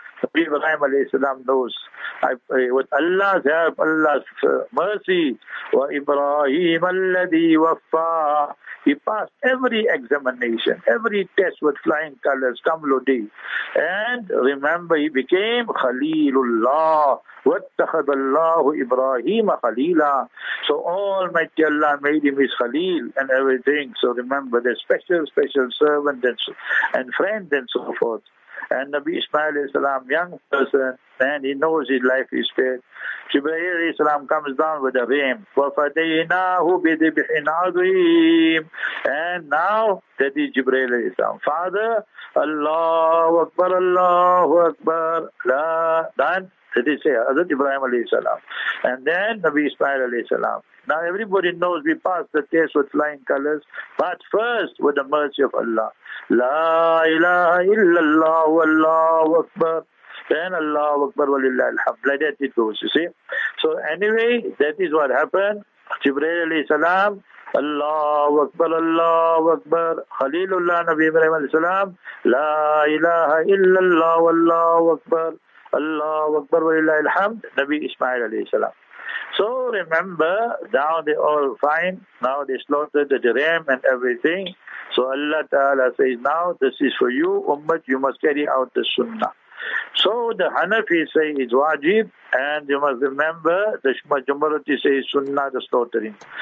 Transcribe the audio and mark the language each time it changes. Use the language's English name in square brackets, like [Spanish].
[English] Nabi Ibrahim alayhi salam knows. With Allah's help, Allah's mercy, [Arabic] wa Ibrahim alladhi waffa. [English] He passed every examination, every test with flying colors, kamludi. And remember, he became Khalilullah. [Arabic] واتخذ الله إبراهيم خليلا. [English] So Almighty Allah made him his Khalil and everything. So remember, the special servant and friend and so forth. And Nabi Ismail alayhi salam, young person, and he knows his life is spared. Jibreel alayhi salam comes down with a ram. [Arabic] وَفَدَيْنَاهُ بِذِبْحٍ عَظِيمٍ. [English] And now, that is Jibreel alayhi salam. Father, Allahu Akbar, Allahu Akbar. La, done. That is Hazrat Ibrahim alayhi salam. And then Nabi Ismail alayhi salam. Now everybody knows we passed the test with flying colors, but first with the mercy of Allah. [Arabic] La ilaha illallah wa Allahu Akbar. [English] Then [Arabic] Allahu Akbar wa lillahi alhamd. [English] Like that it goes, you see. So anyway, that is what happened. [Arabic] جبريل عليه السلام الله أكبر الله أكبر خليل الله نبي إبراهيم عليه السلام لا إله إلا الله والله أكبر الله أكبر ولله الحمد نبي إسماعيل عليه السلام. [English] So remember, now they all fine, now they slaughtered the dirham and everything. So Allah Ta'ala says, now this is for you, Ummat, you must carry out the Sunnah. So the Hanafi say it's wajib, and you must remember, the majority say Sunnah, the slaughtering.